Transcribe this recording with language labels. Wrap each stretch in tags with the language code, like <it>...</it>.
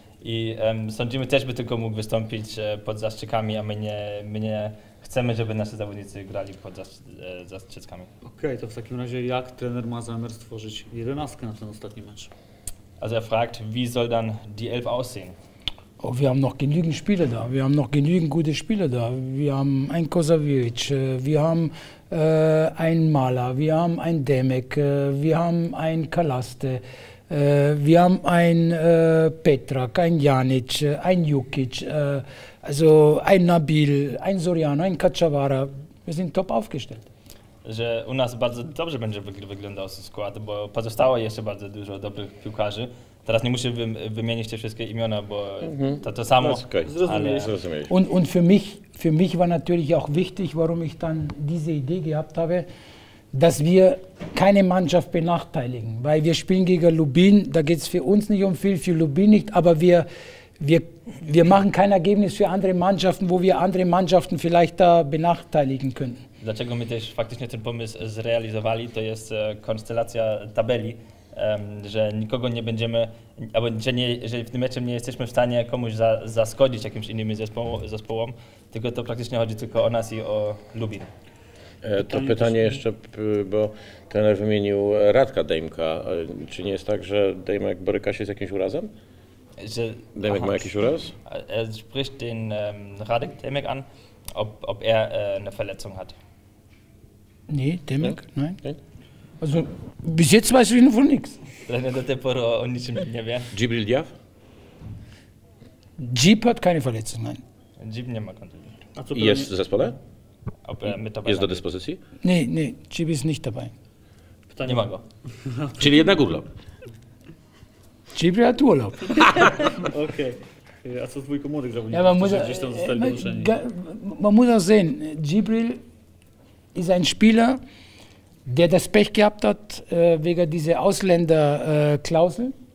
<pl>I sądzimy też, by tylko mógł wystąpić pod zastrzykami, a my nie chcemy, żeby nasi zawodnicy grali pod zastrzykami. Okej, to w takim razie jak trener ma zamiar stworzyć 11 na ten ostatni mecz?</pl> <de>Also er fragt, wie soll dann die Elf aussehen? Oh, wir haben noch genügend Spieler da. Wir haben noch genügend gute Spieler da. Wir haben einen Kozawiewicz, wir haben einen Maler, wir haben einen Demek, wir haben einen Kalaste, wir haben einen Petrak, einen Janic, einen Jukic, also einen Nabil, einen Soriano, einen Kaczawara. Wir sind top aufgestellt.</de> <pl>Że u nas bardzo dobrze będzie wyglądał skład, bo pozostało jeszcze bardzo dużo dobrych piłkarzy. Teraz nie muszę wymienić te wszystkie imiona, bo to samo. Zrozumieliśmy.</pl> <de>Und für mich war natürlich auch wichtig, warum ich dann diese Idee gehabt habe, dass wir keine Mannschaft benachteiligen, weil wir spielen gegen Lubin, da geht es für uns nicht um viel, für Lubin nicht, aber wir machen kein Ergebnis für andere Mannschaften, wo wir andere Mannschaften vielleicht da benachteiligen können.</de> <pl>Dlaczego my też faktycznie ten pomysł zrealizowali, to jest konstelacja tabeli, że nikogo nie będziemy, albo że w tym meczu nie jesteśmy w stanie komuś zaskodzić jakimś innym zespołom, tylko to praktycznie chodzi tylko o nas i o Lubin. To pytanie jeszcze, bo trener wymienił Radka Dejmka. Czy nie jest tak, że Dejmek boryka się z jakimś urazem? Że, Dejmek ma jakiś uraz?</pl> <de>Sprich den Radek Dejmek an. Ob er eine Verletzung hat. Nee, Demek? Ja? Nein. Okay. Also bis jetzt weiß ich noch von nichts. Leider der Temporo und nicht mehr. Djibril Diaw? Djib hat keine Verletzung, nein.</de> <pl>Jib nie ma kontuzji. A co jest w zespole? Jest do dyspozycji? Nie, nie, Jib jest</pl> <de>nicht dabei.</de> <pl>Pytanie. Nie ma go. Czyli jednak urlop. Jib jest urlop. Okej. A co twój komórek zawodnik, którzy gdzieś tam zostali poruszeni?</pl> <de>Man muss auch sehen, Jibril ist ein Spieler, der das Pech gehabt hat, wegen dieser Ausländerklausel.</de>